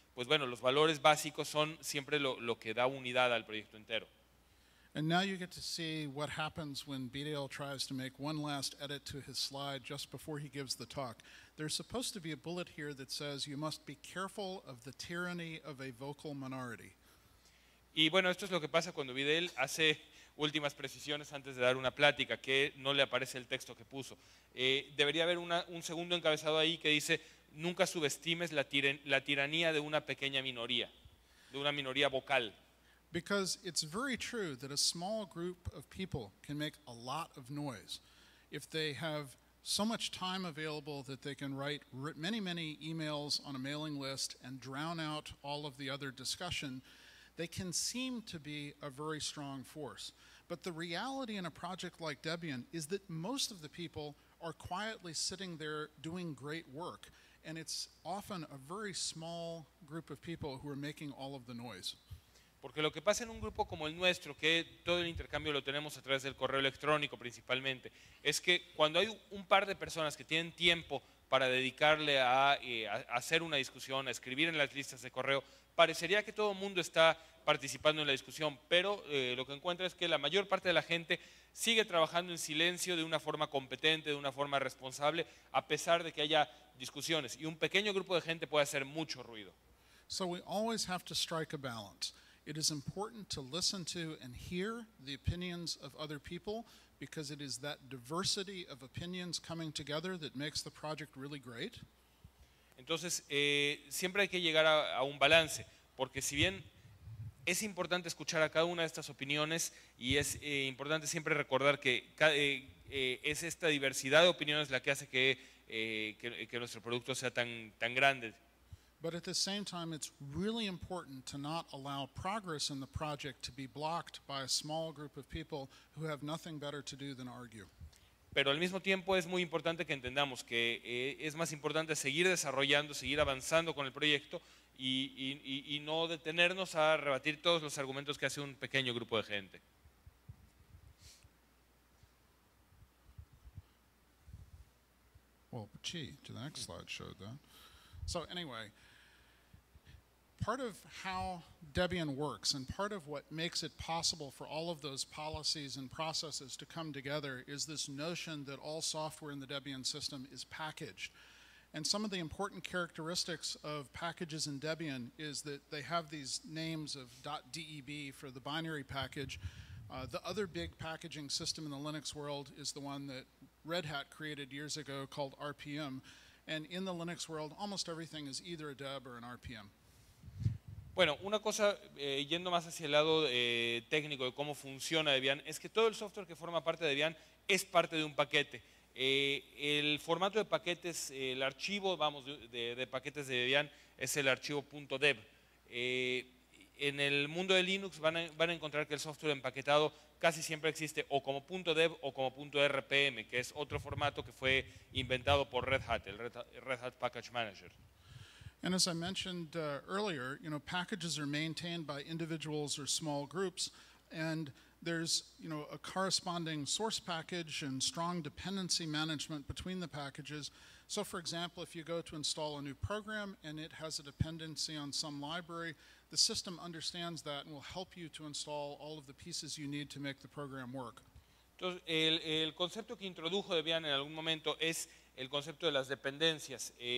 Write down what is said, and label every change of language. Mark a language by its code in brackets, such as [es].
[es] Pues bueno, los valores básicos son siempre lo que da unidad al proyecto entero. [en] And now you get to see what happens when BDL tries to make one last edit to his slide just before he gives the talk. There's supposed to be a bullet here that says you must be careful of the tyranny of a vocal minority. [es] Y bueno, esto es lo que pasa cuando BDL hace últimas precisiones antes de dar una plática, que no le aparece el texto que puso. Debería haber un segundo encabezado ahí que dice: nunca subestimes la tiranía de una pequeña minoría, de una minoría vocal. [en] Because it's very true that a small group of people can make a lot of noise if they have so much time available that they can write many, many emails on a mailing list and drown out all of the other discussion. They can seem to be a very strong force. But the reality in a project like Debian is that most of the people are quietly sitting there doing great work, and it's often a very small group of people who are making all of the noise. [es] Porque lo que pasa en un grupo como el nuestro, que todo el intercambio lo tenemos a través del correo electrónico principalmente, es que cuando hay un par de personas que tienen tiempo para dedicarle a hacer una discusión, a escribir en las listas de correo, parecería que todo el mundo está participando en la discusión, pero lo que encuentra es que la mayor parte de la gente sigue trabajando en silencio de una forma competente, de una forma responsable, a pesar de que haya discusiones. Y un pequeño grupo de gente puede hacer mucho ruido. [en] So we always have to strike a balance. It is important to listen to and hear the opinions of other people because it is that diversity of opinions coming together that makes the project really great. [es] Entonces, siempre hay que llegar a un balance, porque si bien es importante escuchar a cada una de estas opiniones y es importante siempre recordar que es esta diversidad de opiniones la que hace que nuestro producto sea tan grande. [en] But at the same time, it's really important to not allow progress in the project to be blocked by a small group of people who have nothing better to do than argue. [es] Pero al mismo tiempo es muy importante que entendamos que es más importante seguir desarrollando, seguir avanzando con el proyecto y no detenernos a rebatir todos los argumentos que hace un pequeño grupo de gente. [en] Well, gee, to the next slide showed that. So anyway, part of how Debian works and part of what makes it possible for all of those policies and processes to come together is this notion that all software in the Debian system is packaged. And some of the important characteristics of packages in Debian is that they have these names of .deb for the binary package. The other big packaging system in the Linux world is the one that Red Hat created years ago called RPM. And in the Linux world, almost everything is either a deb or an RPM. [es] Bueno, una cosa, yendo más hacia el lado técnico de cómo funciona Debian, es que todo el software que forma parte de Debian es parte de un paquete. El formato de paquetes, el archivo, vamos, de paquetes de Debian, es el archivo .deb. En el mundo de Linux van a encontrar que el software empaquetado casi siempre existe o como .deb o como .rpm, que es otro formato que fue inventado por Red Hat, el Red Hat Package Manager. [en] And as I mentioned earlier, you know, packages are maintained by individuals or small groups, and there's, you know, a corresponding source package and strong dependency management between the packages. So for example, if you go to install a new program and it has a dependency on some library, the system understands that and will help you to install all of the pieces you need to make the program work. [es] Entonces, el concepto que introdujo Debian en algún momento es el concepto de las dependencias.